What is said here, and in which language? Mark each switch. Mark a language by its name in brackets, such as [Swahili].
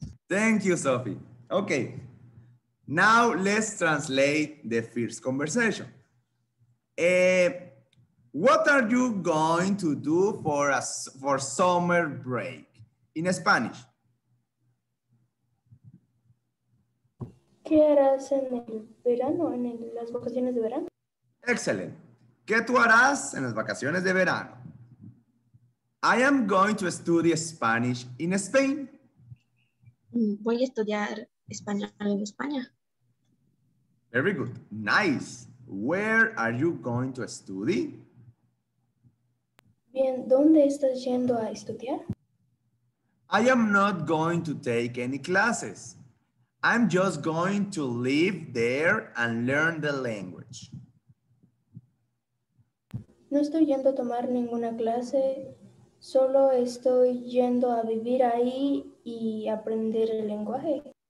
[English] Thank you, Sophie. Okay. Now let's translate the first conversation. What are you going to do for summer break in Spanish? [Spanish] ¿Qué harás en el verano, en las vacaciones de verano? [English] Excellent. [Spanish] ¿Qué tú harás en las vacaciones de verano? [English] I am going to study Spanish in Spain. [Spanish] Voy a estudiar español en España. [English] Very good. Nice. Where are you going to study? [Spanish] Bien, ¿dónde estás yendo a estudiar? [English] I am not going to take any classes. I'm just going to live there and learn the language. [Spanish] No estoy yendo a tomar ninguna clase. Solo estoy yendo a vivir ahí y aprender el lenguaje.